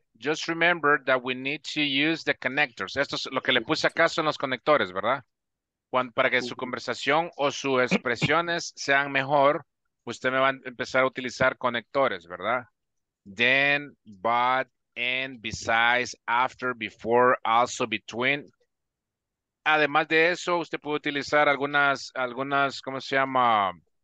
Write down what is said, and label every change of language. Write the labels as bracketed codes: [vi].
[en] Just remember that we need to use the connectors. [es] Esto es lo que le puse acá son los conectores, ¿verdad? Cuando, para que su conversación o sus expresiones sean mejor, usted me va a empezar a utilizar conectores, ¿verdad? [en] Then, but, and, besides, after, before, also, between. [es] Además de eso, usted puede utilizar algunas, ¿cómo se llama?